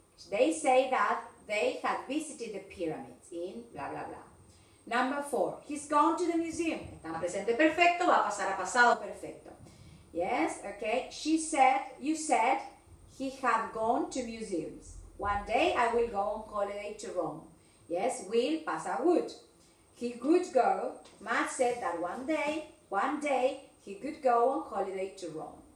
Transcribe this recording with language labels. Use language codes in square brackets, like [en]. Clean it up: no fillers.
[en] They say that they had visited the pyramids in blah, blah, blah. Number 4. He's gone to the museum. [es] Está en presente perfecto, va a pasar a pasado perfecto. [en] Yes, okay. She said, you said, he had gone to museums. One day I will go on holiday to Rome. Yes, will pasa would. He could go. Matt said that one day, he could go on holiday to Rome.